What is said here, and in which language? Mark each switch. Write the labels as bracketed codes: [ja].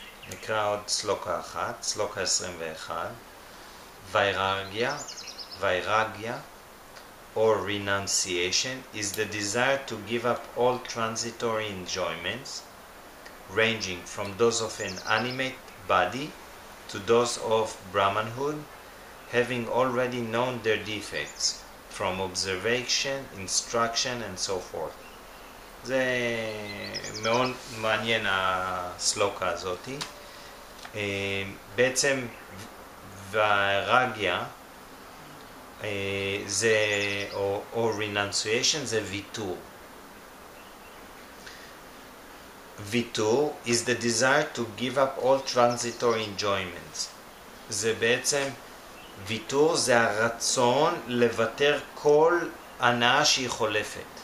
[he] נקרא עוד סלוקה אחת, סלוקה 21, ויירגיה, ויירגיה, [en] or renunciation, is the desire to give up all transitory enjoyments, ranging from those of an animate body to those of Brahmanhood, having already known their defects, from observation, instruction, and so forth. [he] זה מאוד מעניין הסלוקה הזאתי. בעצם והרגיה זה או renunciation זה ויתור. [en] ויתור is the desire to give up all transitory enjoyments. [he] זה בעצם ויתור, זה הרצון לוותר כל הנאה שהיא חולפת.